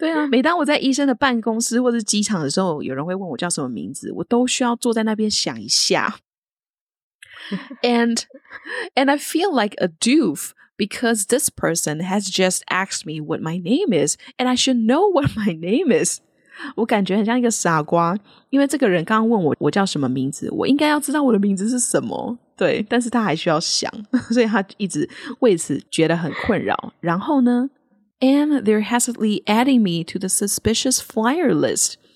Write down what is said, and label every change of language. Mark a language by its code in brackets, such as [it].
[zh] 每当我在医生的办公室或是机场的时候，有人会问我叫什么名字，我都需要坐在那边想一下。 [en] And I feel like a doof because this person has just asked me what my name is and I should know what my name is. [zh] 我感觉很像一个傻瓜，因为这个人刚刚问我叫什么名字，我应该要知道我的名字是什么。对，但是他还需要想，所以他一直为此觉得很困扰。然后呢 [en] ，and they're hastily adding me to the suspicious flyer list。